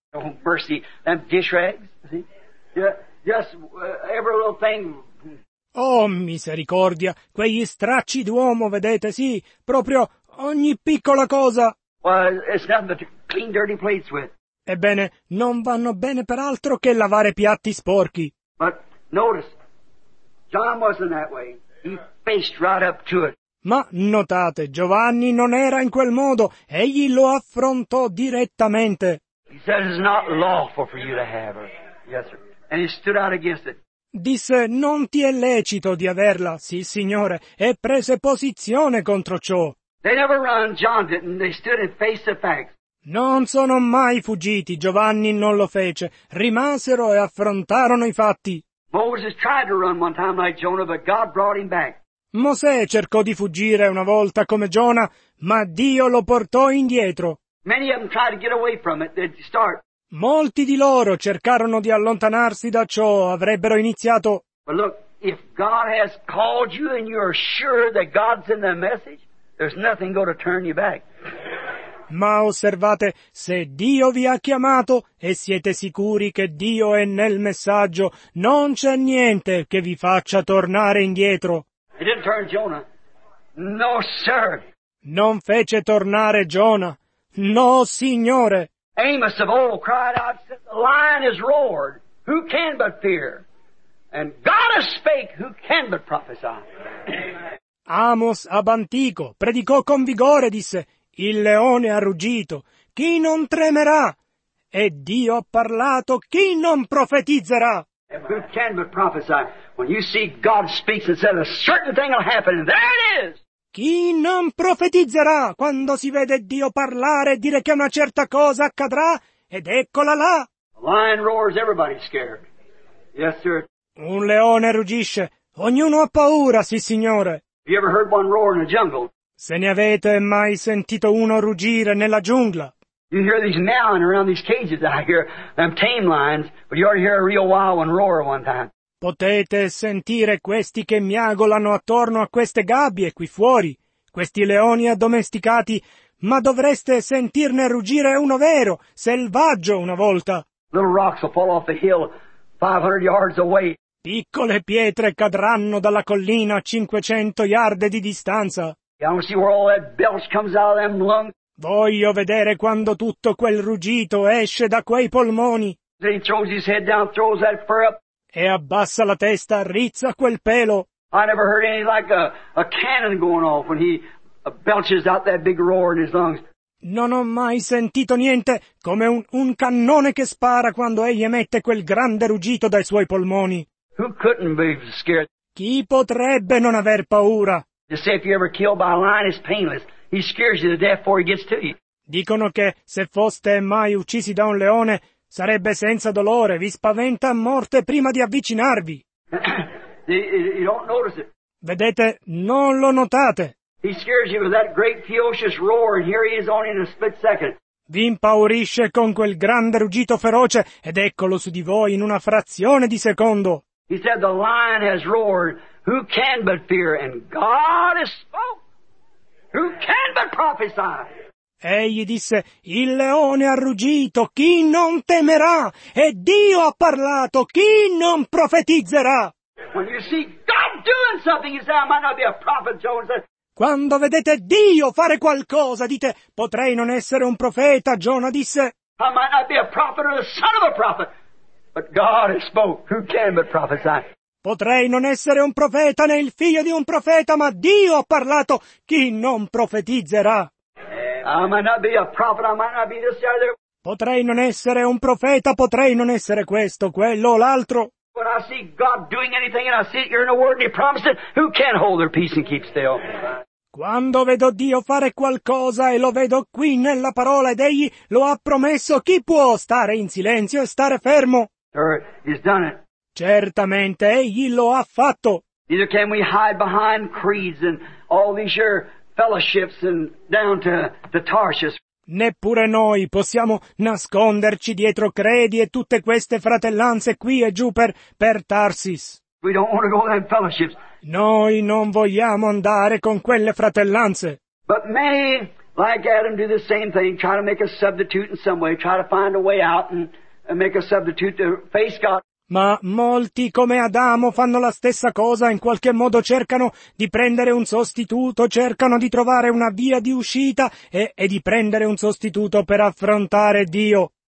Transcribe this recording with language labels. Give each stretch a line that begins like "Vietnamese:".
English: Oh, mercy, them dish rags, see? Just every little thing.
Italian: Oh, misericordia, quegli stracci d'uomo, vedete, sì, proprio ogni piccola cosa.
English: Well, it's nothing but clean dirty plates with.
Italian: Ebbene, non vanno bene per altro che lavare piatti sporchi.
English: But notice, John wasn't that way. He faced right up to it.
Italian: Ma notate, Giovanni non era in quel modo, egli lo affrontò direttamente.
English: He said it's not lawful for you to have her. Yes, sir. And he stood out against it.
Italian: Disse, non ti è lecito di averla, sì signore, e prese posizione contro ciò.
English: They never run, John didn't. They stood and faced the facts.
Italian: Non sono mai fuggiti, Giovanni non lo fece. Rimasero e affrontarono i fatti.
English: Moses tried to run one time like Jonah, but God brought him back.
Italian: Mosè cercò di fuggire una volta come Giona, ma Dio lo portò indietro.
English: Many of them tried to get away from it. They'd start.
Italian: Molti di loro cercarono di allontanarsi da ciò, avrebbero iniziato.
English: But look, if God has called you and you're sure that God's in the message, there's nothing going to turn you back.
Italian: Ma osservate, se Dio vi ha chiamato e siete sicuri che Dio è nel messaggio, non c'è niente che vi faccia tornare indietro.
English: He didn't turn Jonah. No, sir.
Italian: Non fece tornare Giona. No, signore.
English: Amos of old cried out, said, the lion has roared. Who can but fear? And God has spake. Who can but prophesy?
Italian: Amos ab antico predicò con vigore, disse, il leone ha ruggito. Chi non tremerà? E Dio ha parlato. Chi non profetizzerà?
English: Who can but prophesy? When you see God speaks and says a certain thing will happen, and there it is!
Italian: Chi non profetizzerà quando si vede Dio parlare e dire che una certa cosa accadrà? Ed eccola là!
English: A lion roars, everybody's scared. Yes, sir.
Italian: Un leone ruggisce. Ognuno ha paura, sì, signore.
English: Have you ever heard one roar in a jungle?
Italian: Se ne avete mai sentito uno ruggire nella giungla?
English: You hear these meowing around these cages out here, them tame lions, but you ought to hear a real wild one roar one time.
Italian: Potete sentire questi che miagolano attorno a queste gabbie qui fuori, questi leoni addomesticati, ma dovreste sentirne ruggire uno vero, selvaggio una volta.
English: Little rocks will fall off the hill 500 yards away.
Italian: Piccole pietre cadranno dalla collina a 500 yard di distanza.
English: You don't see where all that belch comes out of them lungs.
Italian: Voglio vedere quando tutto quel ruggito esce da quei polmoni.
English: Then he throws his head down, throws that fur up.
Italian: E abbassa la testa, rizza quel pelo.
English: I never heard any like a cannon going off when he belches out that big roar in his lungs.
Italian: Non ho mai sentito niente come un cannone che spara quando egli emette quel grande ruggito dai suoi polmoni.
English: Who couldn't be scared?
Italian: Chi potrebbe non aver paura?
English: They say if you're ever killed by a lion, it's painless. He scares you to death before he gets to you.
Italian: Dicono che se foste mai uccisi da un leone, sarebbe senza dolore, vi spaventa a morte prima di avvicinarvi.
English: You don't notice it.
Italian: Vedete, non lo notate.
English: He scares you with that great ferocious roar, and here he is on in a split second.
Italian: Vi impaurisce con quel grande ruggito feroce, ed eccolo su di voi in una frazione di secondo.
English: He said the lion has roared. Who can but fear? And God has spoken. Who can but prophesy?
Italian: Egli disse, il leone ha ruggito, chi non temerà? E Dio ha parlato, chi non profetizzerà?
English: When you see God doing something, you say, I might not be a prophet, Jonah.
Italian: Quando vedete Dio fare qualcosa, dite, potrei non essere un profeta, Jonah disse.
English: I might not be a prophet or the son of a prophet, but God has spoken. Who can but prophesy?
Italian: Potrei non essere un profeta né il figlio di un profeta, ma Dio ha parlato, chi non profetizzerà?
English: I might not be a prophet, I might not be this or that.
Italian: Potrei non essere un profeta, potrei non essere questo, quello o l'altro.
English: When I see God doing anything and I see it here in the Word and He promised it, who can hold their peace and keep still?
Italian: Quando vedo Dio fare qualcosa e lo vedo qui nella parola ed Egli lo ha promesso, chi può stare in silenzio e stare fermo?
English: Sir, He's done it.
Italian: Certamente, Egli lo ha fatto.
English: Neither can we hide behind creeds and all these years. Fellowships and down to Tarsus.
Italian: Neppure noi possiamo nasconderci dietro Credi e tutte queste fratellanze qui e giù per Tarsis.
English: We don't want to go to them fellowships.
Italian: Noi non vogliamo andare con quelle fratellanze.
English: But many, like Adam, do the same thing, try to make a substitute in some way, try to find a way out and make a substitute to face God.
Italian: Ma molti come Adamo fanno la stessa cosa, in qualche modo cercano di prendere un sostituto, cercano di trovare una via di uscita e di prendere un sostituto per affrontare Dio.